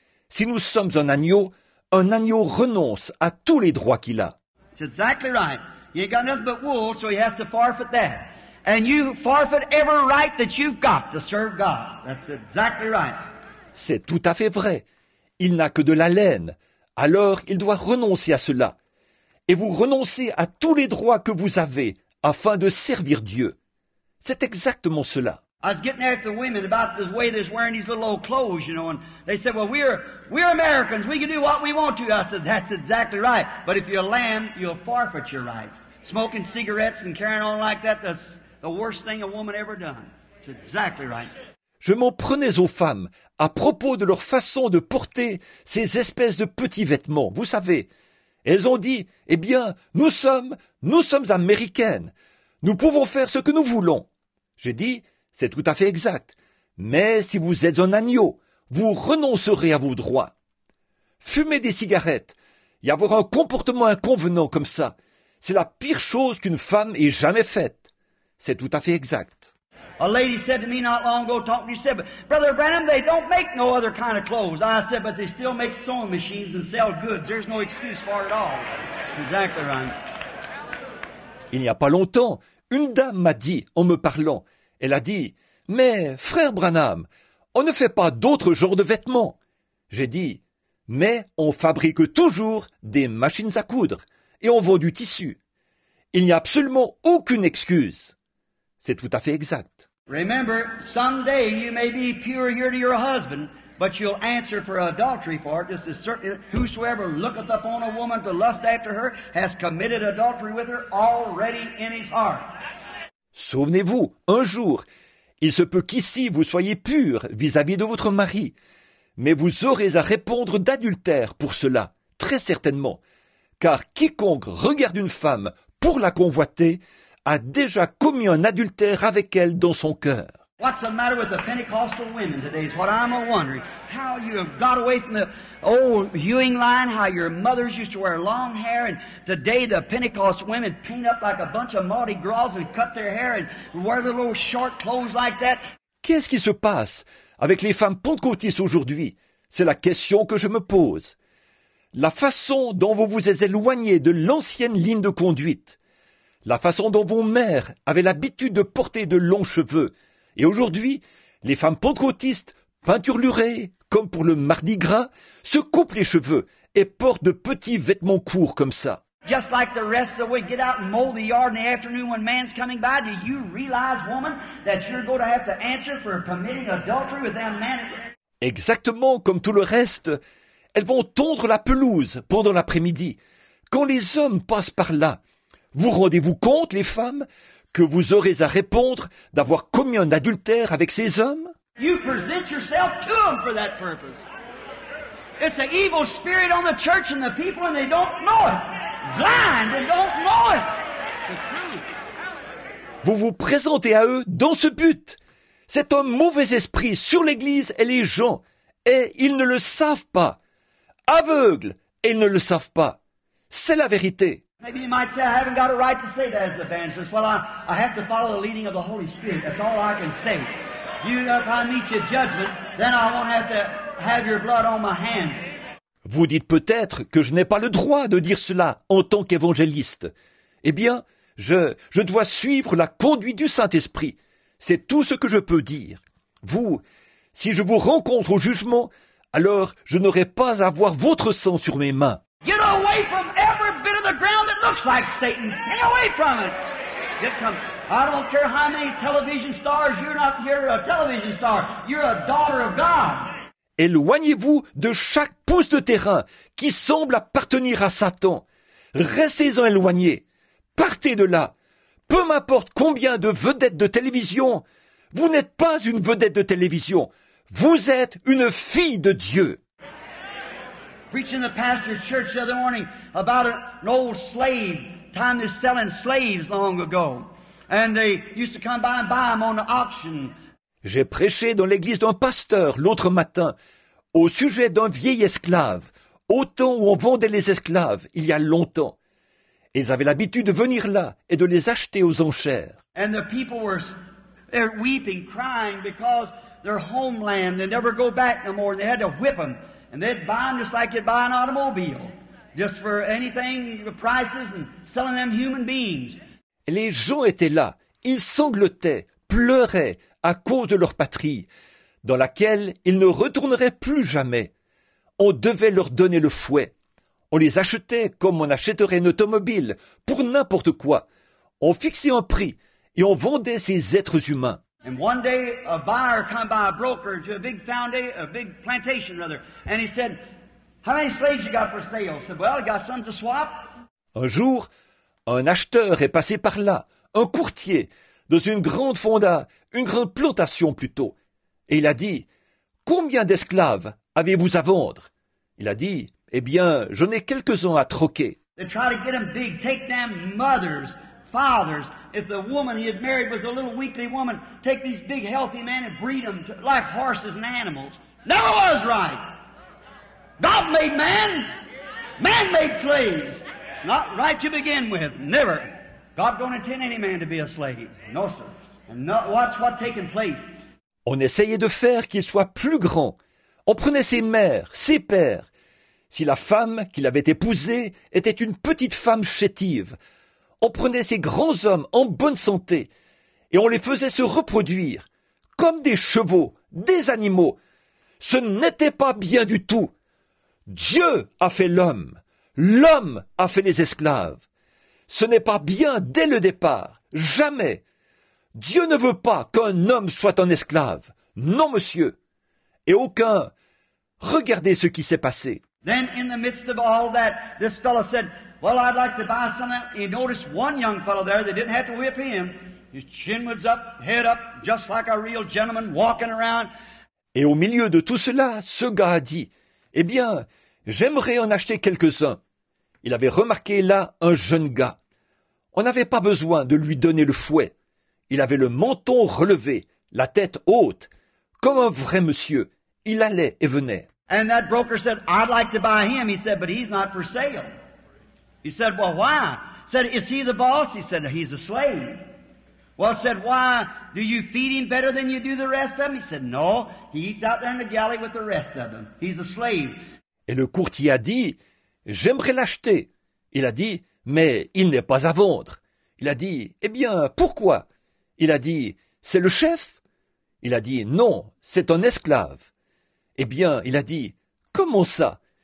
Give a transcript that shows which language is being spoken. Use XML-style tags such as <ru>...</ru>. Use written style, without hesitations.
<fr>Si nous sommes un agneau renonce à tous les droits qu'il a. C'est exactement vrai. Il n'a rien d'autre que</fr> <en>wool,</en> <fr>donc il doit</fr> <en>forfeit</en> <fr>ça. Et vous</fr> <en>forfeit every right that you've got to serve God. That's exactly right.</en> <fr>C'est tout à fait vrai. Il n'a que de la laine. Alors il doit renoncer à cela. Et vous renoncez à tous les droits que vous avez afin de servir Dieu. C'est exactement cela.</fr> <en>I was getting at the women about the way they're wearing these little old clothes, you know, and they said, well, we're Americans, we can do what we want to. I said, that's exactly right. But if you're a lamb, you'll forfeit your rights. Smoking cigarettes and carrying on like that, that's the worst thing a woman ever done. It's exactly right.</en> <fr>Je m'en prenais aux femmes à propos de leur façon de porter ces espèces de petits vêtements, vous savez. Elles ont dit, eh bien, nous sommes américaines. Nous pouvons faire ce que nous voulons. J'ai dit, c'est tout à fait exact. Mais si vous êtes un agneau, vous renoncerez à vos droits. Fumer des cigarettes et avoir un comportement inconvenant comme ça, c'est la pire chose qu'une femme ait jamais faite. C'est tout à fait exact.</fr> <en>A lady said to me not long ago, talking, she said, but Brother Branham, they don't make no other kind of clothes. I said, but they still make sewing machines and sell goods. There's no excuse for it all. Exactly right.</en> <fr>Il n'y a pas longtemps, une dame m'a dit, en me parlant, elle a dit, mais frère Branham, on ne fait pas d'autres genres de vêtements. J'ai dit, mais on fabrique toujours des machines à coudre et on vend du tissu. Il n'y a absolument aucune excuse. C'est tout à fait exact.</fr> <en>Remember, someday you may be pure here to your husband, but you'll answer for adultery for it. This is certain. Whosoever looketh upon a woman to lust after her has committed adultery with her already in his heart.</en> <fr>Souvenez-vous, un jour, il se peut qu'ici vous soyez pur vis-à-vis de votre mari, mais vous aurez à répondre d'adultère pour cela, très certainement, car quiconque regarde une femme pour la convoiter a déjà commis un adultère avec elle dans son cœur.</fr> <en>What's the matter with the Pentecostal women today is what I'm wondering. How you have got away from the old Ewing line, how your mothers used to wear long hair, and today the Pentecost women paint up like a bunch of Mardi Gras and cut their hair and wear little short clothes like that.</en> <fr>Qu'est-ce qui se passe avec les femmes pentecôtistes aujourd'hui? C'est la question que je me pose. La façon dont vous vous êtes éloigné de l'ancienne ligne de conduite, la façon dont vos mères avaient l'habitude de porter de longs cheveux, et aujourd'hui, les femmes pentecôtistes, peinturlurées, comme pour le Mardi Gras, se coupent les cheveux et portent de petits vêtements courts comme ça.</fr> <en>Just like the rest of the week, get out and mow the yard in the afternoon when man's coming by. Do you realize, woman, that you're going to have to answer for committing adultery with that man?</en> <fr>Exactement comme tout le reste, elles vont tondre la pelouse pendant l'après-midi. Quand les hommes passent par là, vous rendez-vous compte, les femmes, que vous aurez à répondre d'avoir commis un adultère avec ces hommes?</fr> <en>You present yourself to them for that purpose. It's an evil spirit on the church and the people and they don't know it. Blind, they don't know it. The truth.</en> <fr>Vous vous présentez à eux dans ce but. C'est un mauvais esprit sur l'église et les gens et ils ne le savent pas. Aveugles, ils ne le savent pas. C'est la vérité.</fr> <en>Maybe you might say, I haven't got a right to say that as an evangelist. Well, I have to follow the leading of the Holy Spirit. That's all I can say. You know, if I meet your judgment, then I won't have to have your blood on my hands.</en> <fr>Vous dites peut-être que je n'ai pas le droit de dire cela en tant qu'évangéliste. Eh bien, je dois suivre la conduite du Saint-Esprit. C'est tout ce que je peux dire. Vous, si je vous rencontre au jugement, alors je n'aurai pas à voir votre sang sur mes mains.</fr> <en>Get away from every bit of the ground that looks like Satan's. Get away from it. Get come. I don't care how many television stars you're not. You're a television star. You're a daughter of God.</en> <fr>Éloignez-vous de chaque pouce de terrain qui semble appartenir à Satan. Restez-en éloignés. Partez de là. Peu m'importe combien de vedettes de télévision, vous n'êtes pas une vedette de télévision. Vous êtes une fille de Dieu.</fr> <en>Preaching the pastor's church the other morning about an old slave, time they're selling slaves long ago. And they used to come by and buy them on the auction.</en> <fr>J'ai prêché dans l'église d'un pasteur l'autre matin au sujet d'un vieil esclave, au temps où on vendait les esclaves, il y a longtemps. Ils avaient l'habitude de venir là et de les acheter aux enchères.</fr> <en>And the people were weeping, crying because their homeland, they never go back no more. They had to whip them. And they'd buy them just like you'd buy an automobile, just for anything, the prices, and selling them human beings.</en> <fr>Les gens étaient là, ils sanglotaient, pleuraient à cause de leur patrie, dans laquelle ils ne retourneraient plus jamais. On devait leur donner le fouet. On les achetait comme on achèterait une automobile, pour n'importe quoi. On fixait un prix et on vendait ces êtres humains.</fr> <en>And one day a buyer came by a broker to a big foundation, a big plantation rather, and he said, how many slaves you got for sale? I said, well, I got some to swap.</en> <fr>Un jour, un acheteur est passé par là, un courtier, dans une grande fonda, une grande plantation plutôt. Et il a dit, combien d'esclaves avez-vous à vendre? Il a dit, eh bien, j'en ai quelques-uns à troquer.</fr> <en>They try to get them big, take them mothers, fathers. If the woman he had married was a little weakly woman, take these big healthy men and breed them to, like horses and animals. Never was right. God made man. Man made slaves. Not right to begin with. Never. God don't intend any man to be a slave. No, sir. And not, watch what's taking place.</en> <fr>On essayait de faire qu'il soit plus grand. On prenait ses mères, ses pères. Si la femme qu'il avait épousée était une petite femme chétive, on prenait ces grands hommes en bonne santé et on les faisait se reproduire comme des chevaux, des animaux. Ce n'était pas bien du tout. Dieu a fait l'homme. L'homme a fait les esclaves. Ce n'est pas bien dès le départ. Jamais. Dieu ne veut pas qu'un homme soit un esclave. Non, monsieur. Et aucun. Regardez ce qui s'est passé.</fr> <en>Then in the midst of all that, this fellow said, well, I'd like to buy some of that. He noticed one young fellow there. They didn't have to whip him. His chin was up, head up, just like a real gentleman walking around.</en> <fr>Et au milieu de tout cela, ce gars a dit, eh bien, j'aimerais en acheter quelques-uns. Il avait remarqué là un jeune gars. On n'avait pas besoin de lui donner le fouet. Il avait le menton relevé, la tête haute. Comme un vrai monsieur, il allait et venait.</fr> <en>And that broker said, I'd like to buy him. He said, but he's not for sale. He said, well, why? He said, is he the boss? He said, he's a slave. Well, he said, why? Do you feed him better than you do the rest of them? He said, no, he eats out there in the galley with the rest of them. He's a slave.</en> <fr>Et le courtier a dit, j'aimerais l'acheter. Il a dit, mais il n'est pas à vendre. Il a dit, eh bien, pourquoi? Il a dit, c'est le chef? Il a dit, non, c'est un esclave. Eh bien, il a dit, comment ça?</fr>